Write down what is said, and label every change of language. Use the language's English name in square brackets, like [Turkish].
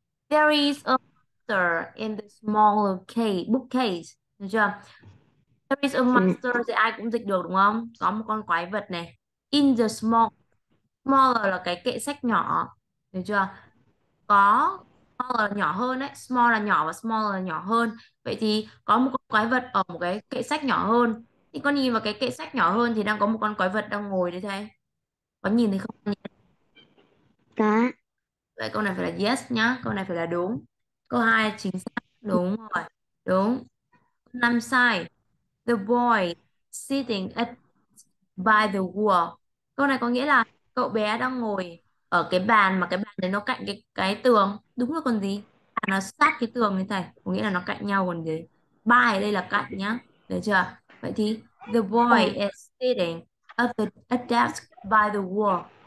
[English] There is a master in the small bookcase. [Vietnamese] Được chưa? [English] There is a master [Vietnamese] thì ai cũng dịch được đúng không? Có một con quái vật này. [English] In the small. [Vietnamese] Smaller là cái kệ sách nhỏ. Được chưa? Có smaller là nhỏ hơn đấy. Small là nhỏ và smaller là nhỏ hơn. Vậy thì có một con quái vật ở một cái kệ sách nhỏ hơn. Thì con nhìn vào cái kệ sách nhỏ hơn thì đang có một con quái vật đang ngồi đấy thế. Có nhìn thấy không? Cá. Vậy câu này phải là yes nhá. Câu này phải là đúng. Câu 2 chính xác. Đúng rồi. Đúng. Năm sai. [English] The boy sitting at by the wall. [Vietnamese] Câu này có nghĩa là cậu bé đang ngồi ở cái bàn mà cái bàn đấy nó cạnh cái tường. Đúng rồi còn gì? Bàn nó sát cái tường như thế. Có nghĩa là nó cạnh nhau còn gì? By đây là cạnh nhá. Được chưa? Vậy thì [English] the boy is sitting at desk by the wall.